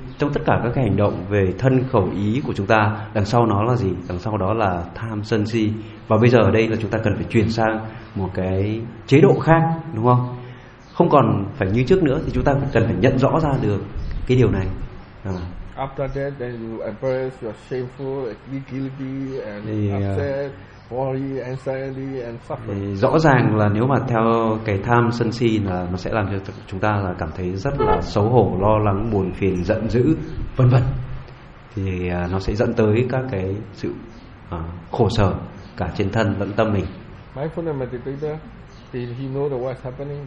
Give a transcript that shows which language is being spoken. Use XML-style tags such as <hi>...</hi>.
<vi>Trong tất cả các cái hành động về thân khẩu ý của chúng ta, đằng sau nó là gì? Đằng sau đó là tham, sân, si. Và bây giờ ở đây là chúng ta cần phải chuyển sang một cái chế độ khác, đúng không? Không còn phải như trước nữa, thì chúng ta cần phải nhận rõ ra được cái điều này.</vi> <en>After that, then you embrace your shameful, guilty, and upset, worry, anxiety, and suffering.</en> <vi>Rõ ràng là nếu mà theo cái tham sân si là nó sẽ làm cho chúng ta là cảm thấy rất là xấu hổ, lo lắng, buồn phiền, giận dữ, vân vân. Thì nó sẽ dẫn tới các cái sự khổ sở cả trên thân lẫn tâm mình.</vi> <en>Mindfulness meditator, did he know that what's happening?</en>